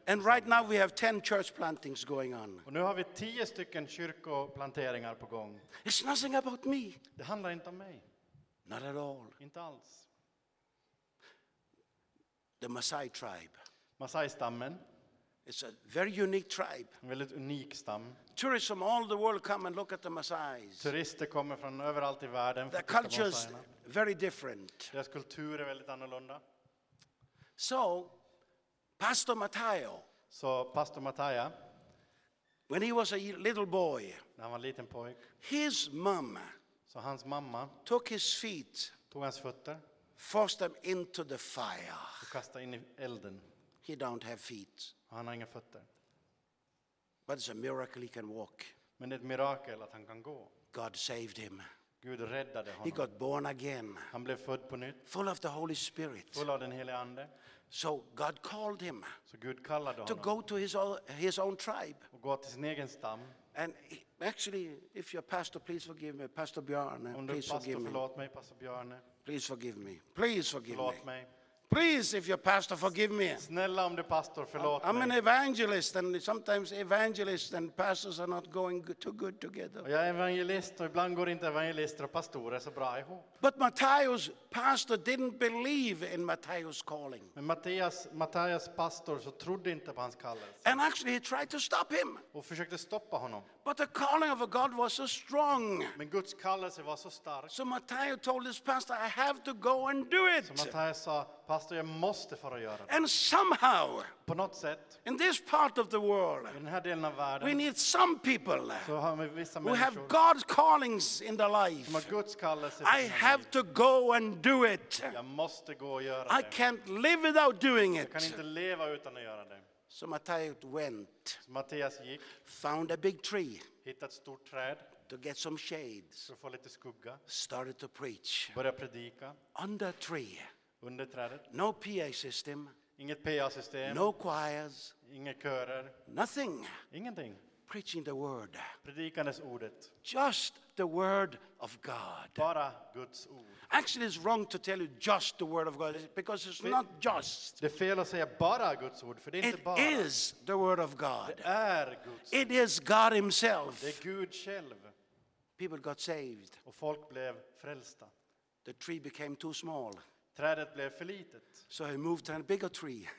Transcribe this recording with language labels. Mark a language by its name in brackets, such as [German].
[English] And right now we have 10 church plantings going on. [Swedish] Och nu har vi 10 stycken kyrkoplanteringar på gång. [English] It's nothing about me. [Swedish] Det handlar inte om mig. [English] Not at all. [Swedish] Inte alls. [English] The Maasai tribe. [Swedish] Maasai-stammen. [English] It's a very unique tribe. [Swedish] En väldigt unik stam. [English] Tourists from all the world come and look at the Maasais. [Swedish] Turister kommer från överallt i världen. [English] Their culture is very different. [Swedish] Deras kultur är väldigt annorlunda. [English] So, Pastor Matteo. [Swedish] Så Pastor Matteo. [English] When he was a little boy. [Swedish] När han var liten pojk. [English] His mom. [Swedish] Så hans mamma. [English] Took his feet. [Swedish] Tog hans fötter. [English] Forced them into the fire. [Swedish] Kasta in i elden. [English] He don't have feet. [Swedish] Han har inga fötter. [English] But it's a miracle he can walk. [Swedish] Men det är ett mirakel att han kan gå. [English] God saved him. [Swedish] Gud räddade honom. [English] He got born again. [Swedish] Han blev född på nytt. [English] Full of the Holy Spirit. [Swedish] Full av den helige ande. [English] So God called him. [Swedish] Så Gud kallade honom. [English] To go to his own tribe. [Swedish] Och gå till sin egen stam. [English] And actually, if you're a pastor, please forgive me, Pastor Bjarne. Please forgive me. [Swedish] Förlåt mig, Pastor Bjarne. [English] Please forgive me. Please forgive [Swedish] förlåt [English] me. Please, if you're a pastor, forgive me. [Swedish] Snälla om du pastor, förlåt mig. [English] I'm an evangelist, and sometimes evangelists and pastors are not going too good together. [Swedish] Jag är evangelist, och ibland går inte evangelister och pastorer så bra ihop. [English] But Matthias' pastor didn't believe in Matthias' calling. [Swedish] Men Matthias' pastor så trodde inte på hans kallelse. [English] And actually, he tried to stop him. [Swedish] Och försökte stoppa honom. [English] But the calling of a God was so strong. [Swedish] Men Guds kallelse var så stark. [English] So Matthias told his pastor, "I have to go and do it." [Swedish] Så Matthias sa, pastor, jag måste för att göra det. [English] And somehow, [Swedish] på något sätt, [English] in this part of the world, [Swedish] i den här delen av världen, [English] we need some people [Swedish] så har vi vissa [English] who have God's callings in their life. [Swedish] Som har Guds kallelse. [English] I have to go and do it. [Swedish] Jag måste gå och göra [English] I [Swedish] det. [English] I can't live without doing it. [Swedish] Jag kan inte leva utan att göra det. [English] So Matthias went. [Swedish] Så Matthias gick. [English] Found a big tree. [Swedish] Hittat ett stort träd. [English] To get some shade. [Swedish] För att få lite skugga. [English] Started to preach. [Swedish] Började predika. [English] Under a tree. [Swedish] Under trädet. [English] No PA system. [Swedish] Inget PA-system. [English] No choirs. [Swedish] Inga körer. [English] Nothing. [Swedish] Ingenting. [English] Preaching the word. [Swedish] Predikandes ordet. [English] Just the word of God. [Swedish] Bara Guds ord. [English] Actually, it's wrong to tell you just the word of God because it's not just. [Swedish] Det är fel att säga bara Guds ord, för det är [English] it [Swedish] inte bara. [English] It is the word of God. [Swedish] Det är Guds ord. [English] It is God himself. [Swedish] Det är Gud själv. [English] People got saved. [Swedish] Och folk blev frälsta. [English] The tree became too small. [Swedish] Trädet blev för litet. [English] So he moved to a bigger tree.